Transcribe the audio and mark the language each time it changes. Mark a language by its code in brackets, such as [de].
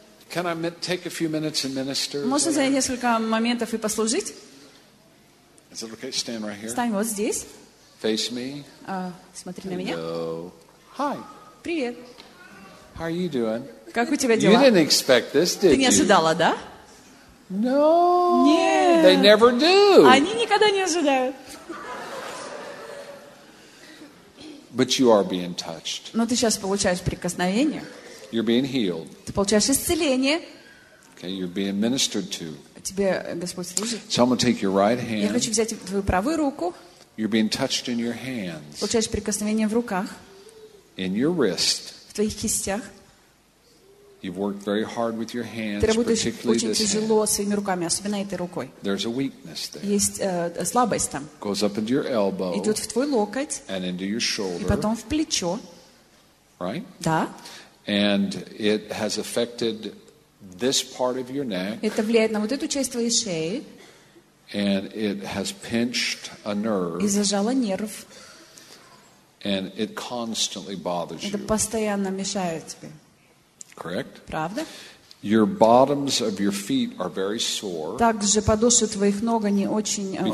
[en] Can I take a few minutes and minister? [ru] Можно занять несколько моментов и послужить? [en] Is it okay? Stand right here. [ru] Стань вот здесь. [en] Face me. [ru] Смотри [en] Hello. [ru] На меня. [en] Hi. [ru] Привет. [en] How are you doing? [ru] Как у тебя дела? [en] You didn't expect this, did you? [ru] Ты не ожидала, да? [en] No. [ru] Нет. [en] They never do. [ru] Они никогда не ожидают. [en] But you are being touched. [ru] Но ты сейчас получаешь прикосновение. [en] You're being healed. [ru] Ты получаешь исцеление. [en] Okay, you're being ministered to. [ru] Тебе Господь служит. [en] So I'm gonna take your right hand. [ru] Я хочу взять твою правую руку. [en] You're being touched in your hands. [ru] Получаешь прикосновение в руках. [en] In your wrist. [ru] В твоих кистях. [en] You've worked very hard with your hands, [ru] Ты работаешь [en] particularly [ru] очень [en] this [ru] тяжело [en] hand. [ru] Своими руками, особенно этой рукой. [en] There's a weakness there. [ru] Есть слабость там. [en] Goes up into your elbow. [ru] Идет в твой локоть. [en] And into your shoulder. [ru] И потом в плечо. [en] Right? [ru] Да. [en] And it has affected this part of your neck. [ru] Это влияет на вот эту часть твоей шеи. [en] And it has pinched a nerve. [ru] И зажало нерв. [en] And it constantly bothers [ru] Это [en] you. [ru] Это постоянно мешает тебе. [en] Correct? [ru] Правда? [en] Your bottoms of your feet are very sore. [ru] Также подошвы твоих ног они очень уставшие.